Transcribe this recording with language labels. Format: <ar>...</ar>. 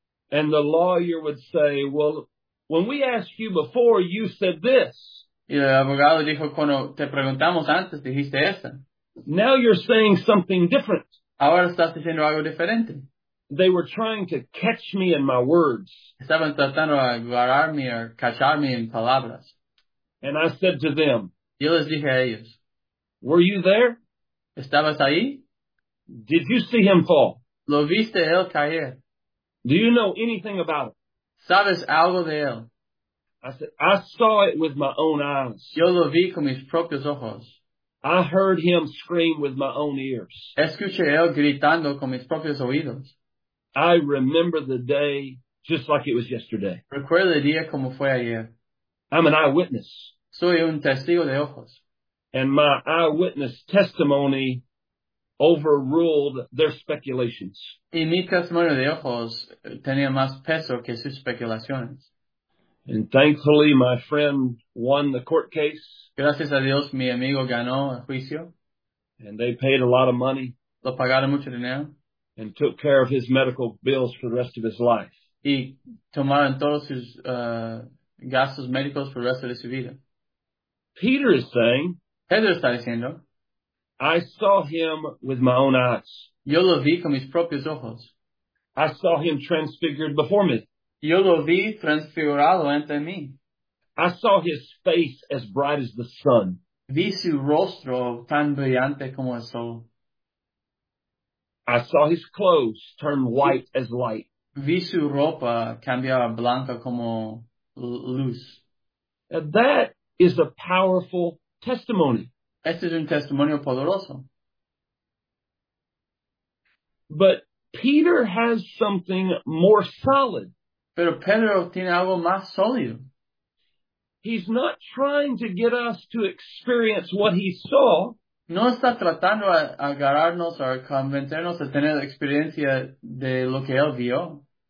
<en>And the lawyer would say, well, when we asked you before, you said this.</en> <es>Y el abogado dijo, cuando te preguntamos antes, dijiste esto.</es> <en>Now you're saying something different.</en> <es>Ahora estás diciendo algo diferente.</es> <en>They were trying to catch me in my words.</en> <es>Estaban tratando de agarrarme o cacharme en palabras.</es> <en>And I said to them.</en> <es>Yo les dije a ellos.</es> <en>Were you there?</en> <es>¿Estabas ahí?</es> <en>Did you see him fall?</en> <es>¿Lo viste él caer?</es> <en>Do you know anything about it?</en> <es>¿Sabes algo de él?</es> <en>I said, I saw it with my own eyes.</en> <es>Yo lo vi con mis propios ojos.</es> <en>I heard him scream with my own ears.</en> <es>Escuché él gritando con mis propios oídos.</es> <en>I remember the day just like it was yesterday.</en> <es>Recuerdo el día como fue ayer.</es> <en>I'm an eyewitness.</en> <es>Soy un testigo de ojos.</es> <en>And my eyewitness testimony overruled their speculations.</en> <es>Y mi testimonio de ojos tenía más peso que sus especulaciones.</es> <en>And thankfully, my friend won the court case.</en> <es>Gracias a Dios, mi amigo ganó el juicio.</es> <en>And they paid a lot of money.</en> <es>Lo pagaron mucho dinero.</es> <en>And took care of his medical bills for the rest of his life.</en> <es>Y tomaron todos sus gastos médicos por el resto de su vida.</es> <en>Peter is saying,</en> <es>Pedro está diciendo,</es> <en>I saw him with my own eyes.</en> <es>Yo lo vi con mis propios ojos.</es> <en>I saw him transfigured before me.</en> <es>Yo lo vi transfigurado ante mí.</es> <en>I saw his face as bright as the sun.</en> <es>Vi su rostro tan brillante como el sol.</es> <en>I saw his clothes turn white as light.</en> <es>Vi su ropa cambiar blanca como luz.</es> <en>And that is a powerful testimony.</en> <es>Este es un testimonio poderoso.</es> <en>But Peter has something more solid.</en> <es>Pero Pedro tiene algo más sólido.</es> <en>He's not trying to get us to experience what he saw.</en> <es>No está tratando de agarrarnos o convencernos de tener la experiencia de lo que él vio.</es>